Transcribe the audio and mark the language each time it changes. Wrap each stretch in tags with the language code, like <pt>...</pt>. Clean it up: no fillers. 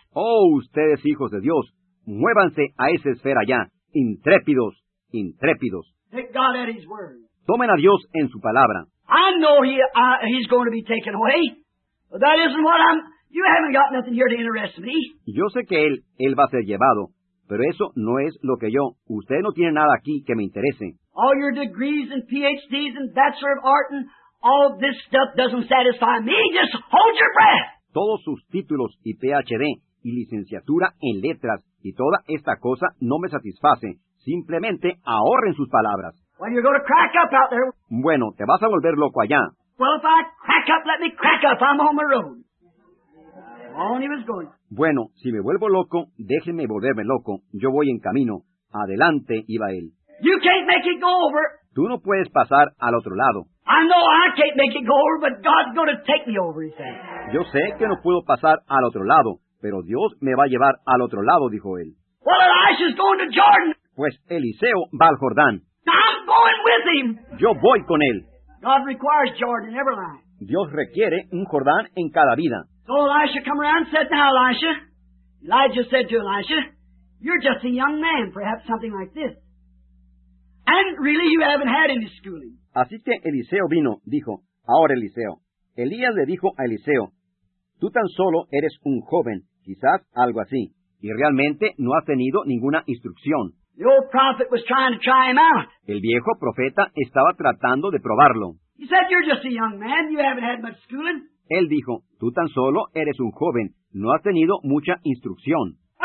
<es>Oh, ustedes hijos de Dios, muévanse a esa esfera allá. Intrépidos, intrépidos.</es> <en>Take God at His word.</en> <es>Tomen a Dios en su palabra.</es> <en>I know he's going to be taken away. But that isn't what I'm. You haven't got nothing here to interest me.</en> <es>Yo sé que él va a ser llevado. Pero eso no es lo que yo. Usted no tiene nada aquí que me interese.</es> <en>All your degrees and PhDs and Bachelor of Art and all this stuff doesn't satisfy me. Just hold your breath.</en> <es>Todos sus títulos y PhD y licenciatura en letras y toda esta cosa no me satisface. Simplemente ahorren sus palabras.</es> <en>Well, you're going to crack up out there.</en> <es>Bueno, te vas a volver loco allá.</es> <en>Well, if I crack up, let me crack up. I'm on my road.</en> <es>Bueno, si me vuelvo loco, déjenme volverme loco. Yo voy en camino. Adelante, iba él.</es> <en>You can't make it go over.</en> <es>Tú no puedes pasar al otro lado.</es> <en>I know I can't make it go over, but God's going to take me over, he said.</en> <es>Yo sé que no puedo pasar al otro lado, pero Dios me va a llevar al otro lado, dijo él.</es> <en>Well, Elisha's going to Jordan.</en> <es>Pues Eliseo va al Jordán.</es> <en>I'm going with him.</en> <es>Yo voy con él.</es> <en>God requires Jordan in every life.</en> <es>Dios requiere un Jordán en cada vida.</es> <en>So Elisha come around and said, now Elisha, Elijah said to Elisha, you're just a young man, perhaps something like this. And really you haven't had any schooling.</en> <es>Así que Eliseo vino, dijo, ahora Eliseo. Elías le dijo a Eliseo, tú tan solo eres un joven, quizás algo así, y realmente no has tenido ninguna instrucción.</es> <en>The old prophet was trying to try him out.</en> <es>El viejo profeta estaba tratando de probarlo.</es> <en>He said, you're just a young man, you haven't had much schooling.</en> <es>Él dijo, tú tan solo eres un joven, no has tenido mucha instrucción.</es>